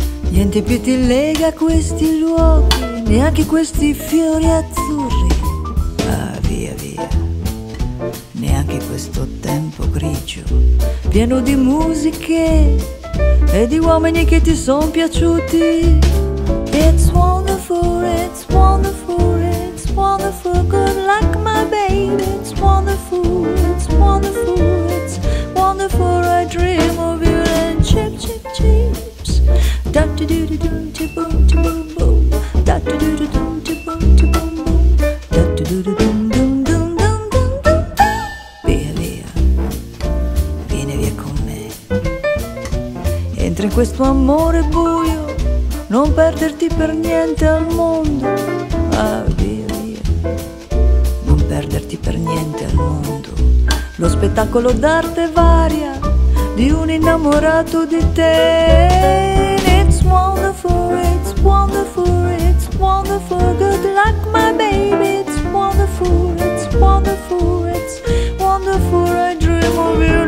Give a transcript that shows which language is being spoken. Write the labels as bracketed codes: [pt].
[it] niente più ti lega a questi luoghi, neanche questi fiori azzurri. Ah, via via, neanche questo tempo grigio, pieno di musiche e di uomini che ti son piaciuti. [en] It's wonderful, it's wonderful, it's wonderful, good luck my baby. It's wonderful, it's wonderful, it's wonderful, I dream of you. And chip, chip, chips, da do do do do do boom do boom boom, da do do do do do boom do boom boom, da do do do boom boom boom boom boom boom. [it] Via via, vieni via con me, entra in questo amore buio, non perderti per niente al mondo. Ah, via via, non perderti per niente al mondo. Lo spettacolo d'arte varia di un innamorato di te. [en] It's wonderful, it's wonderful, it's wonderful, good luck my baby. It's wonderful, it's wonderful, it's wonderful, I dream of you.